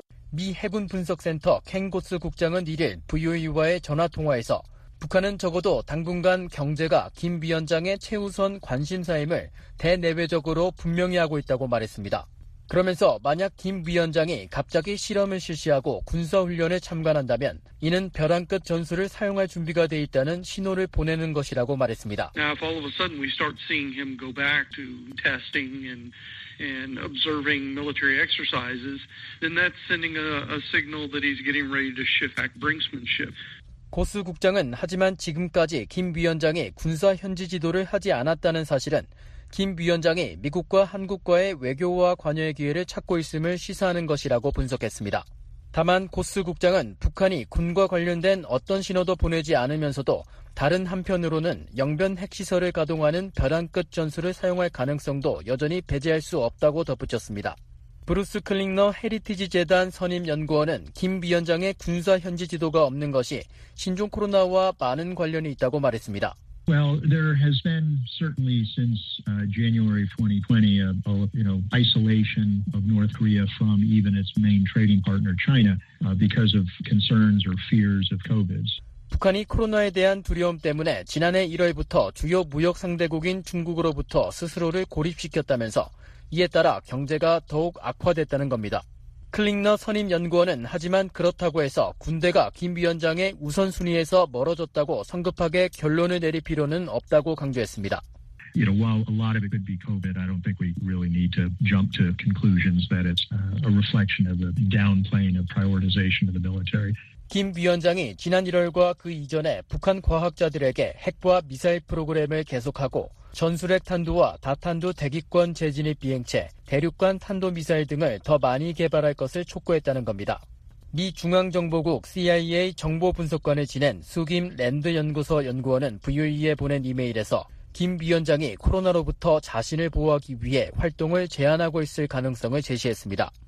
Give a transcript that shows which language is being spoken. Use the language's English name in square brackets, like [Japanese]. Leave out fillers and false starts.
[Korean] 미 해군 분석센터 켄 고스 국장은 이를 VOA와의 전화통화에서 북한은 적어도 당분간 경제가 김 위원장의 최우선 관심사임을 대내외적으로 분명히 하고 있다고 말했습니다. 그러면서 만약 김 위원장이 갑자기 실험을 실시하고 군사훈련에 참관한다면 이는 벼랑 끝 전술을 사용할 준비가 돼 있다는 신호를 보내는 것이라고 말했습니다. [English] Now, if all of a sudden we start seeing him go back to testing and observing military exercises, then that's sending a signal that he's getting ready to shift back brinksmanship. [Korean] 고스 국장은 하지만 지금까지 김 위원장이 군사 현지 지도를 하지 않았다는 사실은 김 위원장이 미국과 한국과의 외교와 관여의 기회를 찾고 있음을 시사하는 것이라고 분석했습니다. 다만 고스 국장은 북한이 군과 관련된 어떤 신호도 보내지 않으면서도 다른 한편으로는 영변 핵시설을 가동하는 벼랑 끝 전술을 사용할 가능성도 여전히 배제할 수 없다고 덧붙였습니다. 브루스 클링너 헤리티지 재단 선임 연구원은 김 위원장의 군사 현지 지도가 없는 것이 신종 코로나와 많은 관련이 있다고 말했습니다. [English] Well, there has been certainly since January 2020 isolation of North Korea from even its main trading partner China because of concerns or fears of COVID. [Korean] 북한이 코로나에 대한 두려움 때문에 지난해 1월부터 주요 무역 상대국인 중국으로부터 스스로를 고립시켰다면서 이에 따라 경제가 더욱 악화됐다는 겁니다. 클링너 선임 연구원은 하지만 그렇다고 해서 군대가 김 위원장의 우선순위에서 멀어졌다고 성급하게 결론을 내릴 필요는 없다고 강조했습니다. [English] you know, while a lot of it could be COVID, I don't think we really need to jump to conclusions that it's a reflection of the downplaying of prioritization of the military. [Korean] 김 위원장이 지난 1월과 그 이전에 북한 과학자들에게 핵과 미사일 프로그램을 계속하고 전술핵 탄두와 다탄두 대기권 재진입 비행체, 대륙간 탄도미사일 등을 더 많이 개발할 것을 촉구했다는 겁니다. 미 중앙정보국 CIA 정보분석관을 지낸 수김 랜드연구소 연구원은 VOE에 보낸 이메일에서 김 위원장이 코로나로부터 자신을 보호하기 위해 활동을 제한하고 있을 가능성을 제시했습니다.